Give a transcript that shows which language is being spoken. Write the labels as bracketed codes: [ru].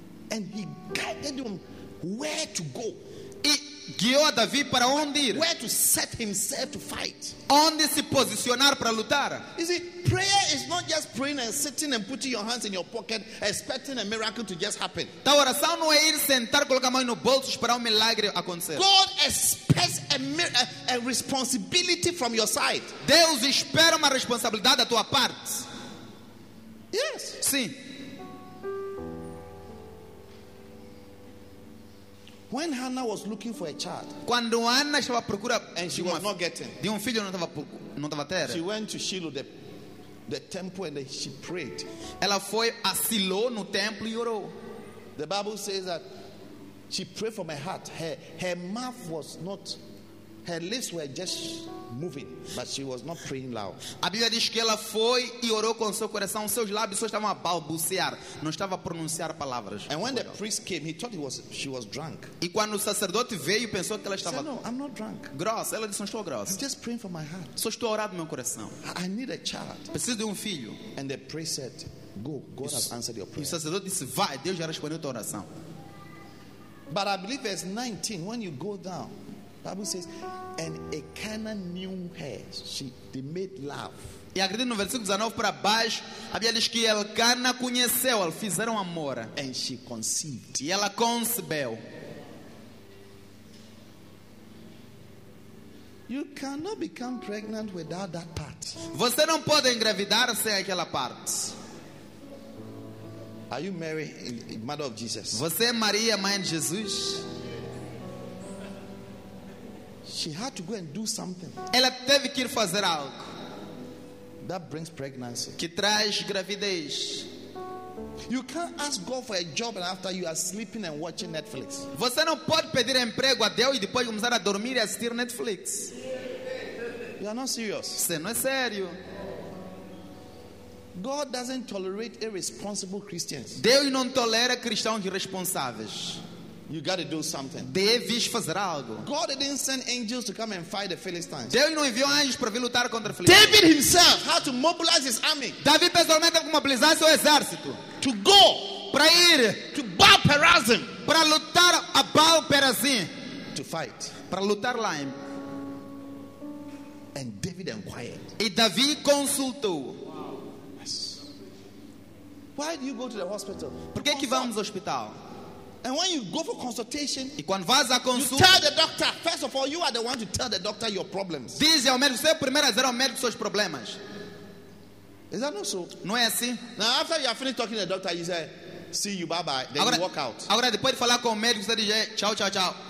[en] And he guided him where to go. [pt] E guiou a Davi para onde ir. [en] Where to set himself to fight. [pt] Onde se posicionar para lutar. [en] You see, prayer is not just praying and sitting and putting your hands in your pocket expecting a miracle to just happen. [pt] A oração não é ir sentar, colocar a mão no bolso e esperar um milagre acontecer. [en] God expects a responsibility from your side. [pt] Deus espera uma responsabilidade da tua parte. [en] Yes. [pt] Sim. [en] When Hannah was looking for a child, [pt] quando Ana estava à procura de um filho, não estava tendo. [en] She went to Shiloh, the temple, and she prayed. [pt] Ela foi a Shiloh no templo e orou. [en] The Bible says that she prayed from her heart. Her mouth was not, her lips were just moving, but she was not praying loud. [pt] A Bíblia diz que ela foi e orou com seu coração. Seus lábios só estavam a balbuciar, não estava a pronunciar palavras. [en] And when the priest came, he thought she was drunk. [pt] E quando o sacerdote veio, pensou que ela estava. [en] No, I'm not drunk. [pt] Grossa. Ela disse, não estou grossa. [en] I'm just praying for my heart. [pt] Só estou a orar do meu coração. [en] I need a child. [pt] Preciso de um filho. [en] And the priest said, go. God has answered your prayer. [pt] O sacerdote disse, vai. Deus já respondeu a tua oração. [en] But I believe verse 19, when you go down, the Bible says, and a Cana knew her. They made love. [pt] E acredito no versículo 19 para baixo, a Bíblia diz que Elcana conheceu, eles fizeram amor. [en] And she conceived. [pt] E ela concebeu. [en] You cannot become pregnant without that part. [pt] Você não pode engravidar sem aquela parte. [en] Are you Mary, mother of Jesus? [pt] Você é Maria, mãe de Jesus? [en] She had to go and do something. [pt] Ela teve que ir fazer algo. [en] That brings pregnancy. [pt] Que traz gravidez. [en] You can't ask God for a job and after you are sleeping and watching Netflix. [pt] Você não pode pedir emprego a Deus e depois começar a dormir e assistir Netflix. [en] You are not serious. [pt] Você não é sério. [en] God doesn't tolerate irresponsible Christians. [pt] Deus não tolera cristãos irresponsáveis. [en] You got to do something. [pt] Deves fazer algo. [en] God didn't send angels to come and fight the Philistines. [pt] Deus não enviou anjos para vir lutar contra os [en] filisteus. David himself had to mobilize his army. [pt] Davi pessoalmente teve que mobilizar seu exército. [en] To go, [pt] para ir, [en] to Baal Perazim, [pt] para lutar a Baal Perazim, [en] to fight, [pt] para lutar lá. Em. [en] And David inquired. [pt] E Davi consultou. [en] Why do you go to the hospital? [pt] Por que que vamos ao hospital? [en] And when you go for consultation, [pt] e quando vais à consulta, [en] you tell the doctor, first of all, you are the one to tell the doctor your problems. [pt] Diz ao médico, você é o primeiro a dizer ao médico seus problemas. [en] Is that not so? [pt] Não é assim? [en] Now after you are finished talking to the doctor, you say, see you, bye bye. Then [pt] agora, [en] you walk out. [pt] Agora depois de falar com o médico, você diz, tchau, tchau, tchau.